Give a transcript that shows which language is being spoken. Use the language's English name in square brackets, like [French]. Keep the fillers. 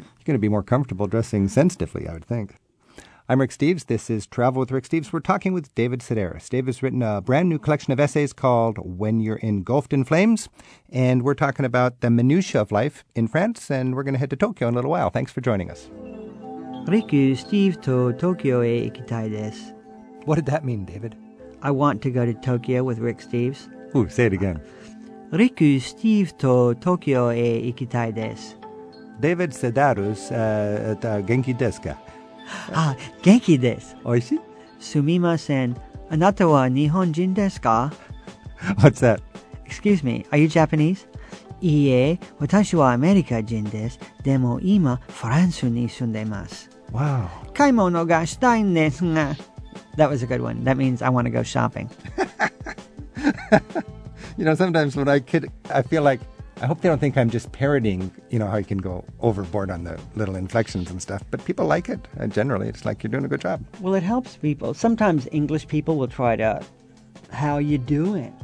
[English] You're going to be more comfortable dressing sensitively, I would think. I'm Rick Steves. This is Travel with Rick Steves. We're talking with David Sedaris. David's written a brand new collection of essays called When You're Engulfed in Flames, and we're talking about the minutiae of life in France, and we're going to head to Tokyo in a little while. Thanks for joining us. [Japanese] リク、Steve と Tokyo へ行きたいです。 [English] What did that mean, David? I want to go to Tokyo with Rick Steves. Ooh, say it again. [Japanese] リク、Steve と Tokyo へ行きたいです。 [English] David Sedaris uh, at uh, [Japanese] Genki Deska. あ、元気です。 Oishi? すみません。あなたは日本人ですか [English] What's that? ?Excuse me, are you Japanese? [Japanese] いいえ、私はアメリカ人です。でも今、フランスに住んでいます。 [English] Wow. [Japanese] 買い物がしたいんですが。 [English] That was a good one. That means I want to go shopping. You know, sometimes when I kid, I feel like I hope they don't think I'm just parodying. You know how you can go overboard on the little inflections and stuff, but people like it. Uh, generally, it's like you're doing a good job. Well, it helps people. Sometimes English people will try to, how you doing?